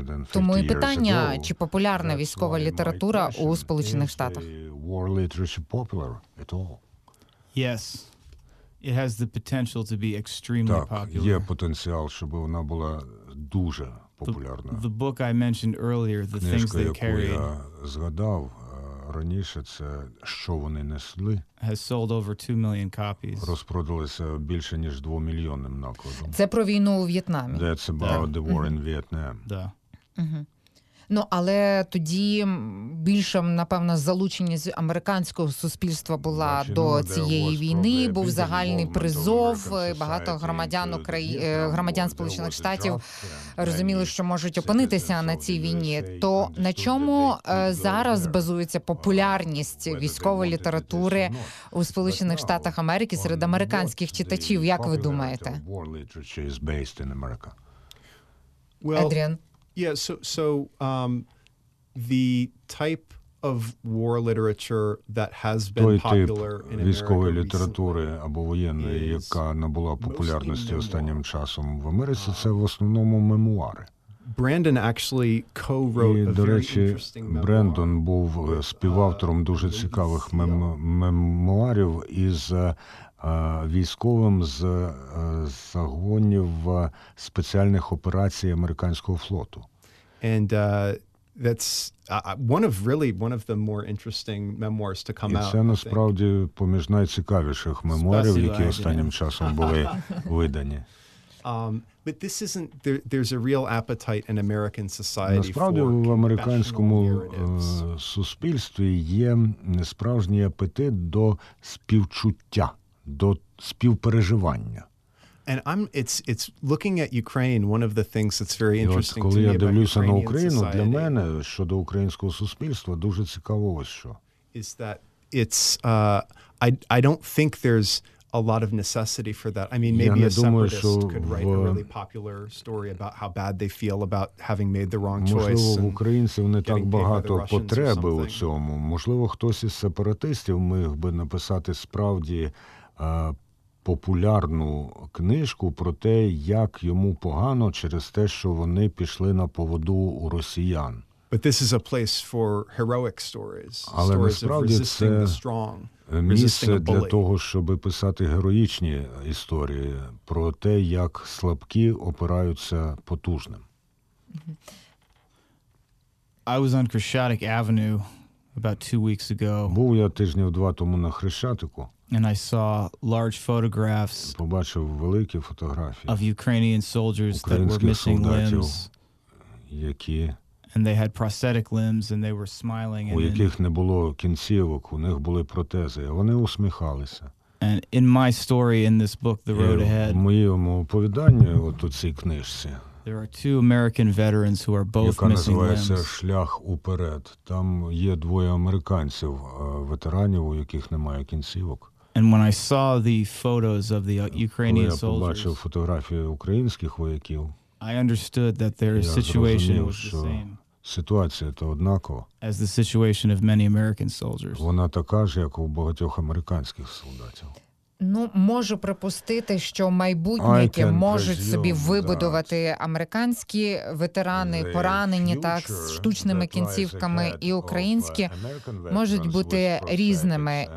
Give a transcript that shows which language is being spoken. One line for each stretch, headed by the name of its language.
Ukrainian: тому і питання, чи популярна військова література у Сполучених Штатах.
English: War literature popular at all? Yes. It has the potential to be extremely popular.
Ukrainian: Є потенціал, щоб вона була дуже популярна.
English: The book I mentioned earlier, the things they carried.
Ukrainian: Книжка, яку я згадав раніше, це що вони несли.
English: Has sold over 2 million copies.
Ukrainian: Розпродалися більше ніж 2 мільйонним накладом. Це про війну у В'єтнамі.
English: That's about the war in Vietnam.
Russian: Да.
Ukrainian: Ну, але тоді більше, напевно, залученість американського суспільства була до цієї війни, був загальний призов, багато громадян громадян Сполучених Штатів розуміли, що можуть опинитися на цій війні. То на чому зараз базується популярність військової літератури у Сполучених Штатах Америки серед американських читачів, як ви думаєте? Адріан?
English: Yeah, so the type of war literature that has been popular in America recently is
Ukrainian: mostly військової літератури або воєнної, яка набула популярності останнім часом в Америці, це в основному мемуари.
English: Brandon actually co-wrote a very interesting memoir.
Ukrainian: До речі, Брендон був співавтором дуже цікавих мемуарів із військовим з загонів спеціальних операцій американського флоту.
English: And one of the more interesting memoirs to come out.
Ukrainian: Це насправді поміж найцікавіших меморів, які останнім часом були видані.
English: But this isn't there's a real appetite in American society for.
Ukrainian: Насправді в американському суспільстві є справжній апетит до співчуття, до співпереживання.
English: And it's looking at Ukraine, one of the things that's very interesting to me.
Ukrainian: Коли я дивлюся на Україну, для мене щодо українського суспільства дуже цікаво ось що.
English: Is that it's I don't think there's a lot of necessity for that. I mean, maybe a separatist could write a really popular story about how bad they feel about having made the wrong choice.
Ukrainian: Можливо, в українців не так багато потреби у цьому. Можливо, хтось із сепаратистів міг би написати справді популярну книжку про те, як йому погано через те, що вони пішли на поводу у росіян.
English: But this is a place for heroic stories.
Ukrainian: Але
English: stories
Ukrainian: насправді
English: of resisting the strong,
Ukrainian: місце для того, щоб писати героїчні історії про те, як слабкі опираються потужним.
English: I was on Krishatik Avenue about 2 weeks ago.
Ukrainian: Був я тижнів два тому на Хрещатику.
English: And I saw large photographs
Ukrainian: побачив великі фотографії
English: of Ukrainian soldiers that were missing limbs,
Ukrainian: які
English: and they had prosthetic limbs and they were smiling,
Ukrainian: у яких не було кінцівок, у них були протези, вони усміхалися.
English: And in my story in this book The Road Ahead,
Ukrainian: в моєму оповіданні от у цій книжці,
English: there are two American veterans who are both missing limbs.
Ukrainian: Яка називається «Шлях уперед». Там є двоє американців, ветеранів, у яких немає кінцівок.
English: And when I saw the photos of the Ukrainian soldiers,
Ukrainian: коли я побачив фотографії українських вояків,
English: I understood that their situation was the same.
Ukrainian: Ситуація то однакова.
English: As the situation of many American soldiers.
Ukrainian: Вона така ж, як у багатьох американських солдатів. Ну, можу припустити, що майбутнє можуть собі вибудувати американські ветерани, поранені так з штучними кінцівками, і українські можуть бути різними.